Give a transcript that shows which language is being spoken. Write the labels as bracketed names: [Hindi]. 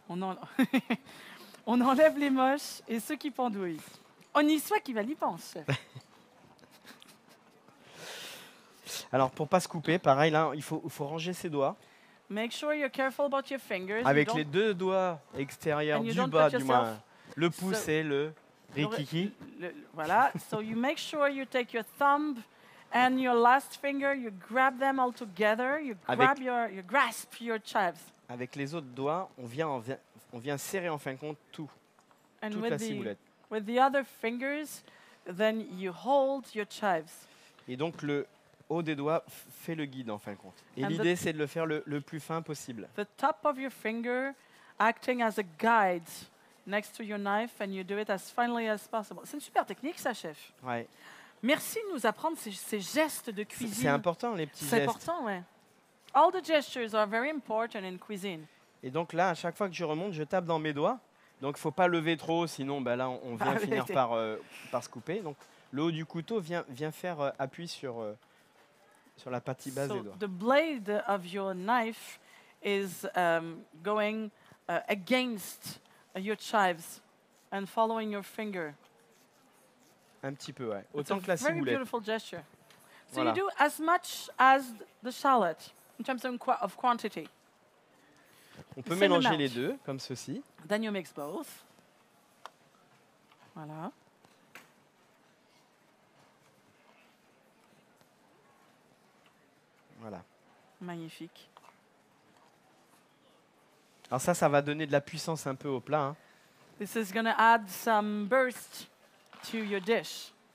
[French] On enlève les moches et ceux qui pendouillent. On y soit qui va y penser. Alors, pour ne pas se couper, pareil, là, il faut ranger ses doigts. [English] Make sure you're careful about your fingers. [French] Avec les deux doigts extérieurs du bas, du moins. Le pouce et le rikiki. Voilà. [English] So you make sure you take your thumb and your last finger, you grab them all together. You grasp your chives. [French] Avec les autres doigts, on vient serrer en fin de compte tout. [English] And [French] toute la ciboulette. [English] With the other fingers, then you hold your chives. [French] Et donc le haut des doigts fait le guide en fin de compte. Et l'idée, c'est de le faire le plus fin possible. [English] The top of your finger acting as a guide next to your knife, and you do it as finely as possible. [French] C'est une super technique, ça, chef. Ouais. Merci de nous apprendre ces gestes de cuisine. C'est important, les petits c'est gestes. C'est important, ouais. [English] All the gestures are very important in cuisine. [French] Et donc là, à chaque fois que je remonte, je tape dans mes doigts. Donc, il ne faut pas lever trop, sinon ben là, on vient finir par se couper. Donc, le haut du couteau vient faire appui sur la partie basse des doigts. [English] The blade of your knife is going against your chives and following your finger. [French] Un petit peu, ouais. Autant [English] it's [French] que la ciboulette. [English] It's a very beautiful gesture. So voilà. You do as much as the shallot in terms of quantity. [French] On peut mélanger les deux, comme ceci. [English] Then you mix both. Voilà. [French] Voilà. Magnifique. Alors ça va donner de la puissance un peu au plat. Hein. [English] This is going to add some burst to your dish.